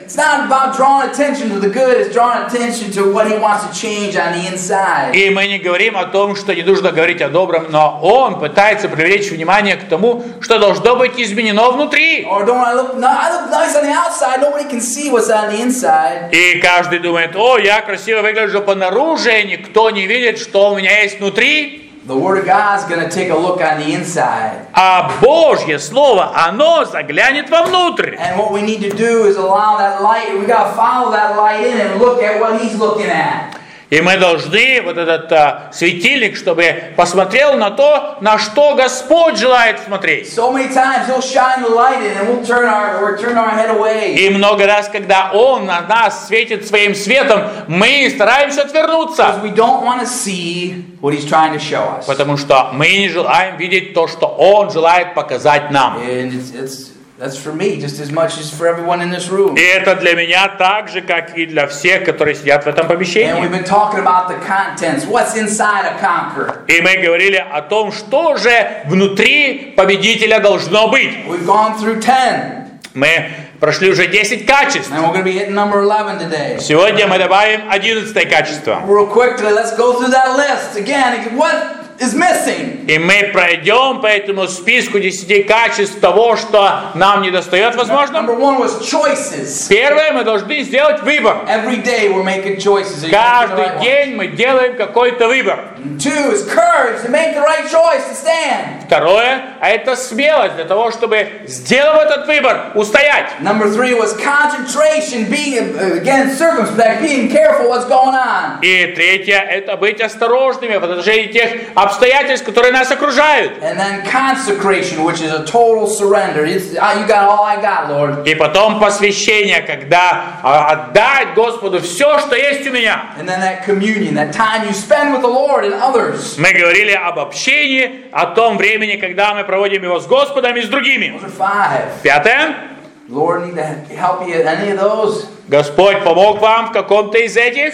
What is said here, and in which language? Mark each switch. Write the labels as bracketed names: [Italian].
[English] It's not about drawing attention to the good, it's drawing attention to what he wants to change on the inside. [Russian] И мы не говорим о том, что не нужно говорить о добром, но он пытается привлечь внимание к тому, что должно быть изменено внутри. [English] Or don't I look, no, I look nice on the outside, nobody can see what's on the inside. [Russian] И каждый думает, о, я красиво выгляжу понаружи, никто не видит, что у меня есть внутри. [English] The Word of God is going to take a look on the inside. [Russian] А Божье слово, оно заглянет вовнутрь. [English] And what we need to do is allow that light. We got to follow that light in and look at what He's looking at. [Russian] И мы должны вот этот светильник, чтобы посмотрел на то, на что Господь желает смотреть. [English] So many times He'll shine the light in and we'll turn our head away. [Russian] И много раз, когда Он на нас светит своим светом, мы стараемся отвернуться. [English] Because we don't want to see what He's trying to show us. [Russian] Потому что мы не желаем видеть то, что Он желает показать нам. [English] And that's for me, just as much as for everyone in this room. [Russian] И это для меня так же, как и для всех, которые сидят в этом помещении. [English] And we've been talking about the contents. What's inside a conqueror? [Russian] И мы говорили о том, что же внутри победителя должно быть. [English] We've gone through 10. [Russian] Мы прошли уже 10 качеств. [English] And we're going to be hitting number 11 today. [Russian] Сегодня мы добавим 11 качество. [English] Real quickly, let's go through that list again. What is missing? [Russian] И мы пройдем по этому списку 10 качеств того, что нам недостает, возможно. [English] Number 1 was choices. [Russian] Первое, мы должны сделать выбор. [English] Every day we're making choices. [Russian] Каждый день мы делаем какой-то выбор. [English] 2 is courage to make the right choice to stand. [Russian] Второе, это смелость для того, чтобы сделав этот выбор, устоять. [English] Number 3 was concentration, being again circumspect, being careful what's going on. [Russian] И третье, это быть осторожными в отношении тех обстоятельств, которые нас окружают. [English] And then consecration, which is a total surrender. It's, you got all I got, Lord. [Russian] И потом посвящение, когда отдать Господу все, что есть у меня. [English] And then that communion, that time you spend with the Lord and others. [Russian] Мы говорили об общении, о том времени, когда мы проводим его с Господом и с другими. Пятое. [English] Lord, need to help you in any of those. [Russian] Господь помог вам в каком-то из этих?